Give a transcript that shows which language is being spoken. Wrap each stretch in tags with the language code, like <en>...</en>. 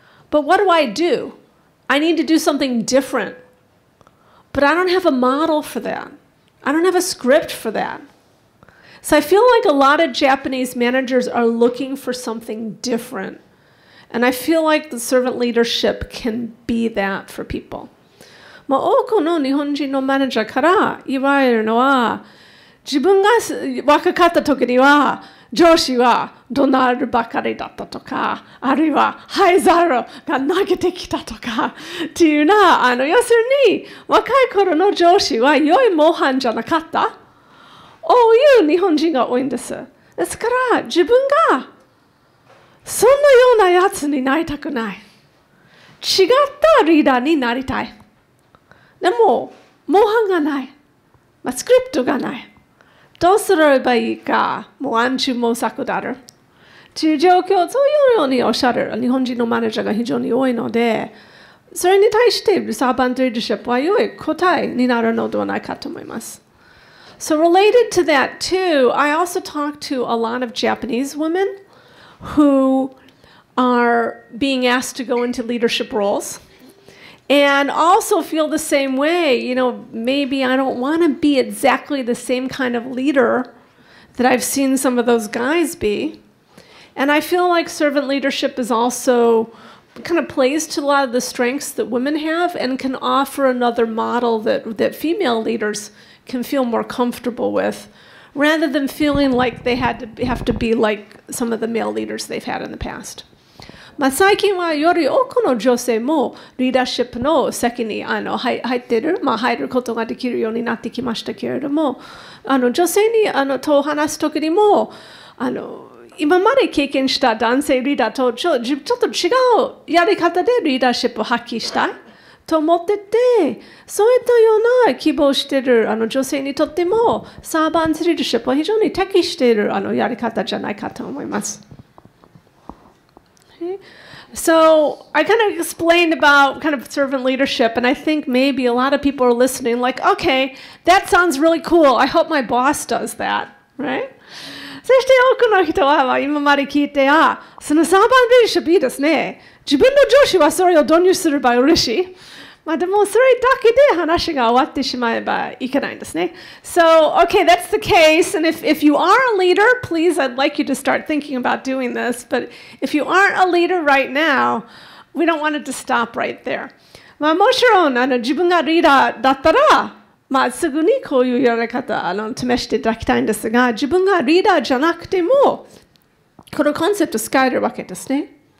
<en>But what do? I need to do something different. But I don't have a model for that. I don't have a script for that. So I feel like a lot of Japanese managers are looking for something different. And I feel like the servant leadership can be that for people.</en> <ja>まあ、多くの日本人のマネージャーから言われるのは、自分が若かった時には上司は怒鳴るばかりだったとか、あるいは灰皿が投げてきたとかっていうな、あの要するに若い頃の上司は良い模範じゃなかった。こういう日本人が多いんです。ですから自分がそんなようなやつになりたくない。違ったリーダーになりたい。でも模範がない、まあ、スクリプトがない。どうすればいいか、もう暗中模索である。という状況をそういうようにおっしゃる日本人のマネージャーが非常に多いので、それに対してサーバントリーディシップは良い答えになるのではないかと思います。</ja> <en>So related to that too, I also talked to a lot of Japanese women who are being asked to go into leadership roles and also feel the same way. You know, maybe I don't want to be exactly the same kind of leader that I've seen some of those guys be. And I feel like servant leadership is also kind of plays to a lot of the strengths that women have and can offer another model that, that female leaders can feel more comfortable with, rather than feeling like they had to have to be like some of the male leaders they've had in the past.</en> <ja>まあ、最近はより多くの女性もリーダーシップの席に入ることができるようになってきましたけれども、女性にと話す時にも今まで経験した男性リーダーとちょっと違うやり方でリーダーシップを発揮したいと思ってて、そういったような希望している女性にとってもサーバンスリーダーシップは非常に適しているやり方じゃないかと思います。</ja> <en>So I kind of explained about kind of servant leadership, and I think maybe a lot of people are listening like, okay, that sounds really cool. I hope my boss does that, right?</en> <ja>そして多くの人は今まで聞いて、あ、そのサーバントリーディシップいいですね。自分の上司はそれを導入すれば嬉しい。まあでもそれだけで話が終わってしまえばいけないんですね。</ja> <en>So, okay, that's the case. And if you are a leader, please, I'd like you to start thinking about doing this. But if you aren't a leader right now, we don't want it to stop right there.</en> <ja>まあもちろん自分がリーダーだったら、まあすぐにこういうやり方試していただきたいんですが、自分がリーダーじゃなくても、このコンセプト使えるわけですね。</ja>